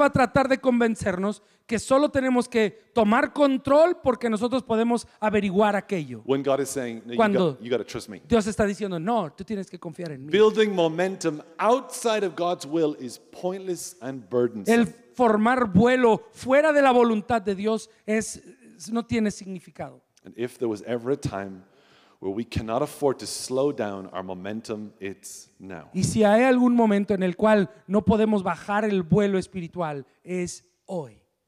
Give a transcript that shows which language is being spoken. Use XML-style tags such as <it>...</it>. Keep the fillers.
<es>va a tratar de convencernos que solo tenemos que tomar control porque nosotros podemos averiguar aquello. Cuando Dios está diciendo, no, tú tienes que confiar en mí. El formar vuelo fuera de la voluntad de Dios es no tiene significado.</es> <en>And if there was ever a time where we cannot afford to slow down our momentum, it's now.</en> <es>Y si hay algún momento en el cual no podemos bajar el vuelo espiritual, es hoy.</es>